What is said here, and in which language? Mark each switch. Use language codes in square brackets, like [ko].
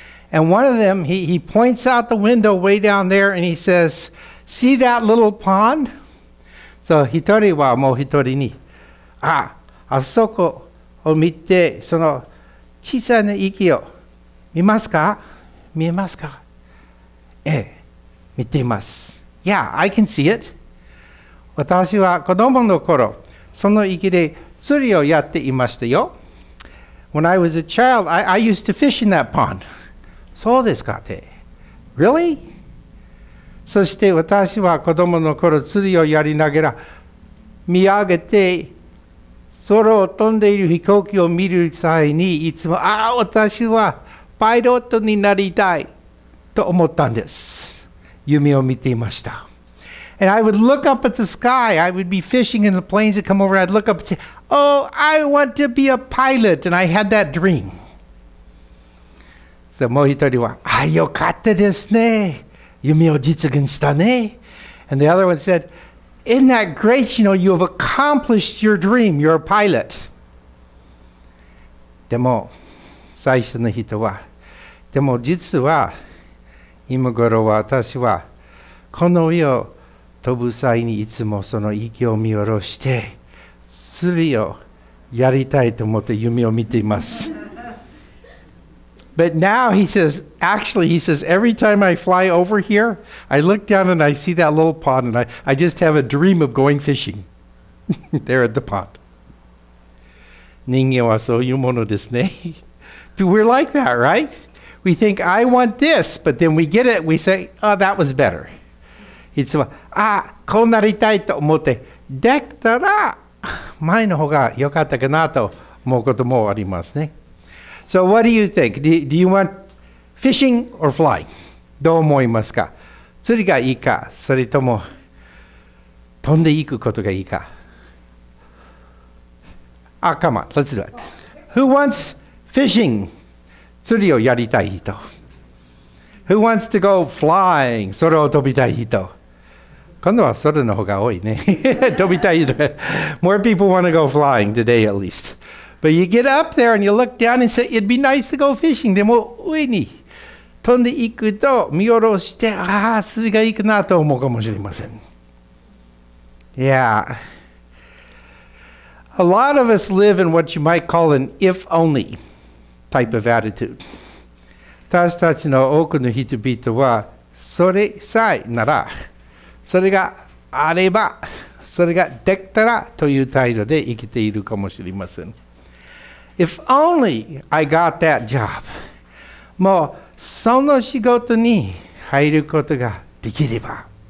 [en] And one of them, he points out the window way down there, and he says, "See that little pond?" [ja] So, 一人はもう一人に、あそこを見て、その小さな池を見ますか? 見えますか?ええ、見ています。 [en] Yeah, I can see it. [ja] 私は子供の頃、その池で釣りをやっていましたよ。 [en] When I was a child, I used to fish in that pond. [ja] そうですかって。 [en] Really? [ja] そして私は子供の頃釣りをやりながら見上げて空を飛んでいる飛行機を見る際にいつも私はパイロットになりたいと思ったんです。夢を見ていました。 [en] And I would look up at the sky. I would be fishing and the planes would come over. I'd look up and say, oh, I want to be a pilot. And I had that dream. [ja] So もう一人は、よかったですね。夢を実現したね。 [en] And the other one said, isn't that great? You know, you have accomplished your dream. You're a pilot. [ja] でも、最初の人は、でも実は、今頃は私は、この上を飛ぶ際にいつもその息を見下ろして、釣りをやりたいと思って夢を見ています。 [en] But now he says, actually, he says, every time I fly over here, I look down and I see that little pond and I just have a dream of going fishing there at the pond. [ja] 人間はそういうものですね。 [en] We're like that, right? We think, I want this, but then we get it, we say, oh, that was better. [ja] いつも、こうなりたいと思って、できたら、前の方が良かったかなと思うこともありますね。 [en] So what do you think? Do you want fishing or flying? [ja] どう思いますか?釣りがいいか? それとも飛んでいくことがいいか? [en] Come on, let's do it. Who wants fishing? [ja] 釣りをやりたい人。 [en] Who wants to go flying? [ja] 空を飛びたい人。今度は空の方が多いね。飛びたい人。 [en] More people want to go flying today at least. But you get up there and you look down and say, it'd be nice to go fishing. [ja] でも上に飛んでいくと見下ろして、釣りがいいかなと思うかもしれません。 [en] Yeah. A lot of us live in what you might call an if only type of attitude. [ja] 私たちの多くの人々は、それさえなら、それがあれば、それができたらという態度で生きているかもしれません。 [en] If only I got that job. [ja] もうその仕事に入ることができれば。